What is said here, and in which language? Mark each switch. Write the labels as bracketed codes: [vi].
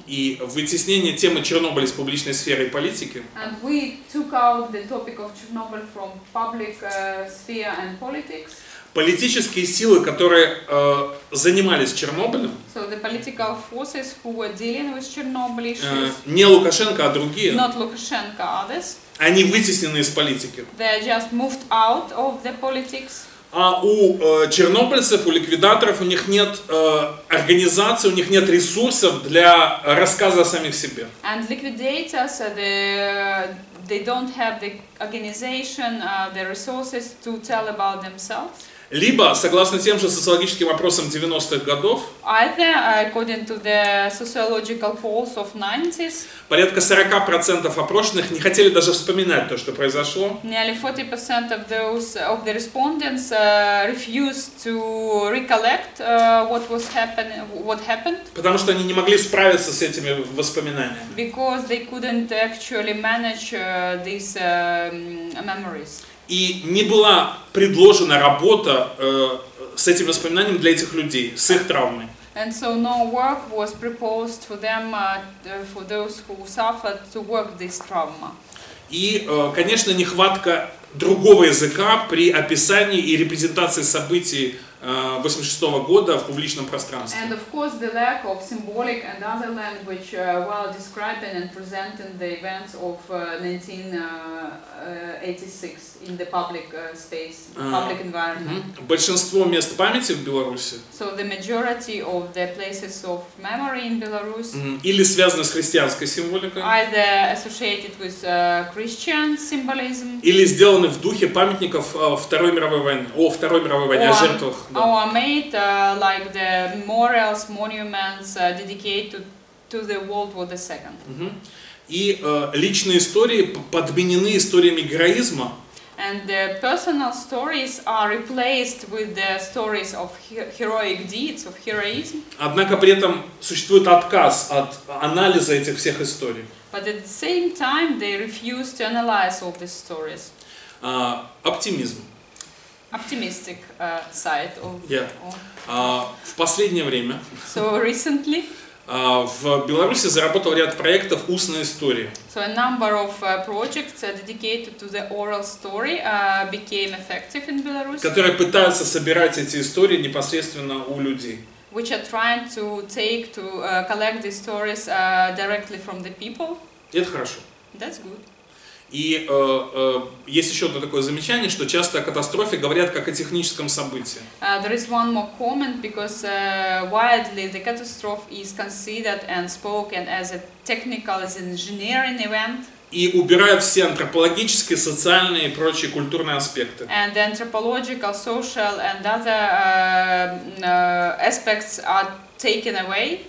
[ru] И вытеснение темы Чернобыля из публичной сферы и политики. [en] And we took out the topic of Chernobyl from public sphere and politics. [ru] Политические силы, которые занимались Чернобылем, [en] so the political forces who were dealing with Chernobyl issues, [ru] не Лукашенко, а другие, [en] not Lukashenko, others, [ru] они вытеснены из политики. [en] They just moved out of the politics. [ru] А у чернобыльцев, у ликвидаторов, у них нет организации, у них нет ресурсов для рассказа о самих себе. [en] And liquidators, they don't have the organization, the resources to tell about themselves. [ru] Либо, согласно тем же социологическим опросам 90-х годов, [en] either, according to the sociological polls of 90s, [ru] порядка 40% опрошенных не хотели даже вспоминать то, что произошло. [en] Nearly 40% of those of the respondents refused to recollect what happened. [ru] Потому что они не могли справиться с этими воспоминаниями. [en] Because they couldn't actually manage these memories. [ru] И не была предложена работа с этим воспоминанием для этих людей, с их травмой. [en] And so no work was proposed for them, for those who suffered to work this trauma. [ru] И, конечно, нехватка другого языка при описании и репрезентации событий 86 года в публичном пространстве. [en] And of course the lack of symbolic and other language while describing and presenting the events of 1986 in the public space, public environment. [ru] Большинство мест памяти в Беларуси. [en] So the majority of the places of memory in Belarus. [ru] Или связаны с христианской символикой. [en] Either associated with Christian symbolism. [ru] Или сделаны в духе памятников Второй мировой войны, о Второй мировой войне, о жертвах. [en] Our made like the memorials, monuments dedicated to the World War II. Mm-hmm. [ru] И личные истории подменены историями героизма. [en] And the personal stories are replaced with the stories of heroic deeds, of heroism. [ru] Однако при этом существует отказ от анализа этих всех историй. [en] But at the same time they refuse to analyze all these stories. [ru] Оптимизм. [en] Optimistic side of. [ru] Yeah. В последнее время. [en] So recently. [ru] В Беларуси заработал ряд проектов устной истории. [en] So a number of projects dedicated to the oral story became effective in Belarus. [ru] Которые пытаются собирать эти истории непосредственно у людей. [en] Which are trying to take to collect these stories directly from the people. [ru] Это хорошо. [en] That's good. [ru] И есть еще одно такое замечание, что часто о катастрофе говорят как о техническом событии. [en] There is one more comment, because widely the catastrophe is considered and spoken as a technical, as an engineering event. [ru] И убирают все антропологические, социальные и прочие культурные аспекты. [en] And the anthropological, social and other aspects are taken away.